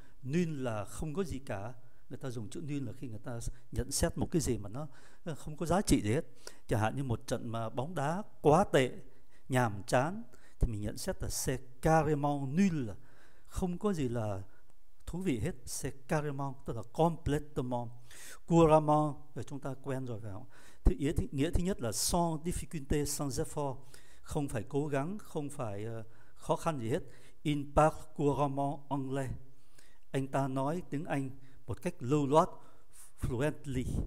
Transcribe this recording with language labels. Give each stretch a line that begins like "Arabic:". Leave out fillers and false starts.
Vietnamese: Nul là không có gì cả. Người ta dùng chữ nul là khi người ta nhận xét một cái gì mà nó không có giá trị gì hết. Chẳng hạn như một trận mà bóng đá quá tệ, nhàm chán, thì mình nhận xét là
French: c'est carrément nul,
Vietnamese: không có gì là thú vị hết.
French: C'est carrément
Vietnamese: tức là
French: completement.
Vietnamese: Couramment là chúng ta quen rồi phải không? Thì nghĩa thứ nhất là
French: sans difficulté, sans effort,
Vietnamese: không phải cố gắng, không phải khó khăn gì hết.
French: Il parle couramment anglais,
Vietnamese: anh ta nói tiếng Anh một cách lưu loát, fluently.